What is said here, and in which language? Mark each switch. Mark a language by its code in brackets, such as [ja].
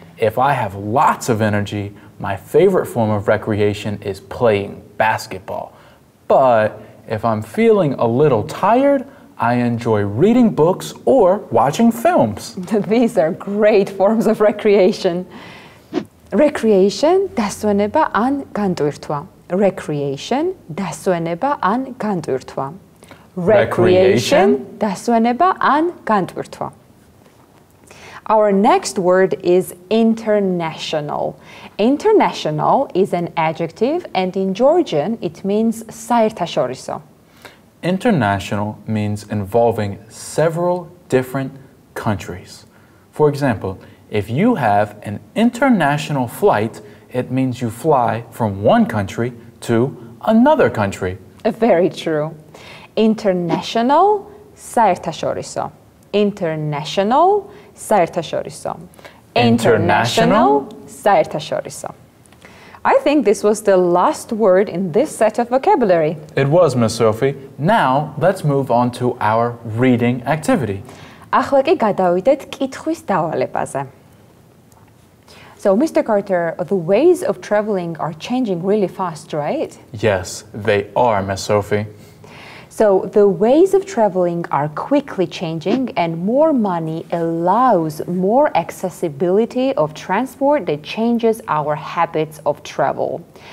[en] If I have lots of energy, my favorite form of recreation is playing basketball. But if I'm feeling a little tired, I enjoy reading books or watching films. These are great forms of recreation. [ka] Recreation, დასვენება ან განტვირთვა. Recreation, დასვენება ან განტვირთვა. [en] Recreation, [ka] დასვენება ან განტვირთვა. [en] Our next word is international. International is an adjective and in Georgian it means საერთაშორისო. International means involving several different countries. For example, if you have an international flight, it means you fly from one country to another country. Very true. International, საერთაშორისო. International, საერთაშორისო. International, [ka] საერთაშორისო. [en] I think this was the last word in this set of vocabulary. It was, Miss Sophie. Now, let's move on to our reading activity. [ka] ახლა კი გადავიდეთ კითხვის დავალებაზე. [en] So, Mr. Carter, the ways of traveling are changing really fast, right? Yes, they are, Miss Sophie. So, the ways of traveling are quickly changing and more money allows more accessibility of transport that changes our habits of travel.